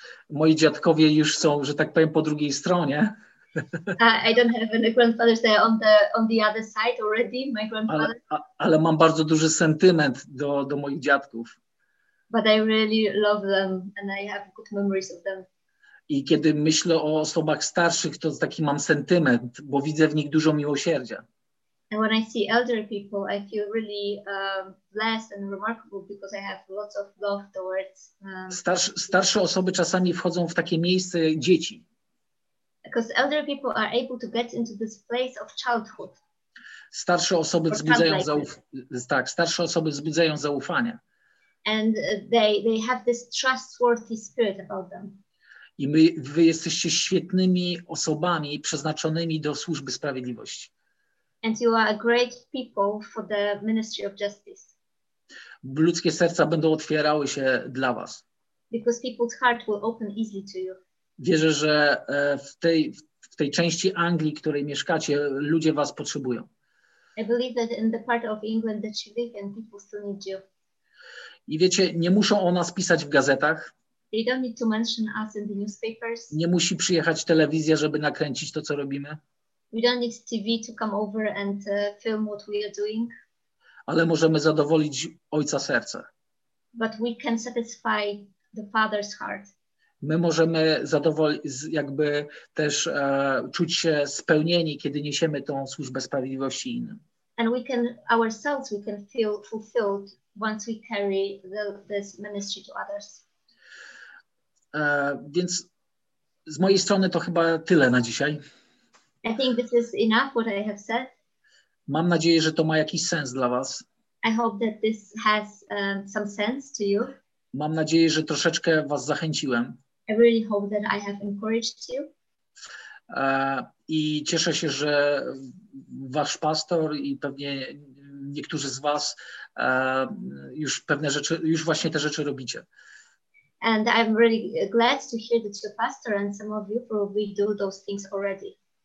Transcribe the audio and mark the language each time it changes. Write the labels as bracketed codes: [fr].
[pl] Moi dziadkowie już są, że tak powiem, po drugiej stronie. [en] I don't have any grandfathers there on the other side already, my grandfather. [pl] Ale mam bardzo duży sentyment do moich dziadków. [en] But I really love them and I have good memories of them. [pl] I kiedy myślę o osobach starszych, to taki mam sentyment, bo widzę w nich dużo miłosierdzia. [en] And when I see elder people, I feel really blessed and remarkable because I have lots of love towards. [pl] Starsze osoby czasami wchodzą w takie miejsce dzieci. [en] Because elder people are able to get into this place of childhood. [pl] Starsze osoby wzbudzają starsze osoby wzbudzają zaufanie. [en] And they have this trustworthy spirit about them. [pl] I wy jesteście świetnymi osobami przeznaczonymi do służby sprawiedliwości. [en] And you are a great people for the ministry of justice. [pl] Ludzkie serca będą otwierały się dla was. [en] Because people's heart will open easily to you. [pl] Wierzę, że w tej części Anglii, której mieszkacie, ludzie was potrzebują. [en] I believe that in the part of England that you live in, people still need you. [pl] I wiecie, nie muszą o nas pisać w gazetach. [en] They don't need to mention us in the newspapers. [pl] Nie musi przyjechać telewizja, żeby nakręcić to, co robimy. [en] We don't need TV to come over and film what we are doing. [pl] Ale możemy zadowolić ojca serca. [en] But we can satisfy the father's heart. [pl] My możemy jakby też czuć się spełnieni, kiedy niesiemy tą służbę sprawiedliwości innym. [en] And we can ourselves we can feel fulfilled once we carry this ministry to others. [pl] Więc z mojej strony to chyba tyle na dzisiaj. [en] I think this is enough what I have said. [pl] Mam nadzieję, że to ma jakiś sens dla was. [en] I hope that this has some sense to you. [pl] Mam nadzieję, że troszeczkę was zachęciłem. [en] I really hope that I have encouraged you. [pl] I cieszę się, że wasz pastor i pewnie niektórzy z was już pewne rzeczy, już właśnie te rzeczy robicie. [en] And I'm really glad to hear that your pastor and some of you probably do those things already.